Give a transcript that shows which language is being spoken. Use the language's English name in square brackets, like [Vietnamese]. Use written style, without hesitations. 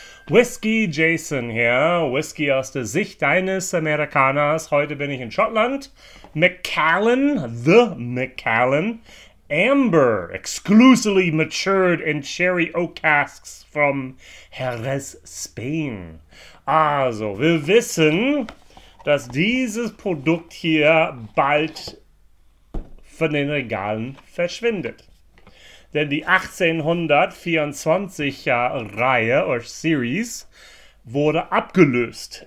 [German] Whisky Jason hier, Whisky aus der Sicht deines Amerikaners. Heute bin ich in Schottland. [English] Macallan, the Macallan, Amber, exclusively matured in cherry oak casks from Jerez, Spain. [German] Also, wir wissen, dass dieses Produkt hier bald von den Regalen verschwindet. Denn die 1824er Reihe oder Series wurde abgelöst.